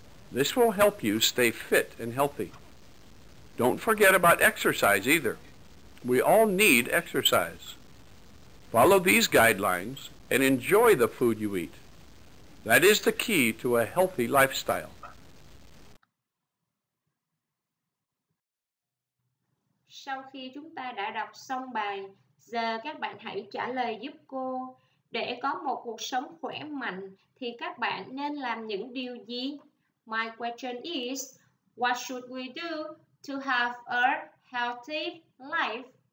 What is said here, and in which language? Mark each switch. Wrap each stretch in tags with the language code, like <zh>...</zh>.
<en>This will help you stay fit and healthy. Don't forget about exercise either. We all need exercise. Follow these guidelines and enjoy the food you eat. That is the key to a healthy lifestyle.</en> <vi>Sau khi chúng ta đã đọc xong bài, giờ các bạn hãy trả lời giúp cô. Để có một cuộc sống khỏe mạnh thì các bạn nên làm những điều gì?</vi> <en>My question is, what should we do to have a healthy life?</en>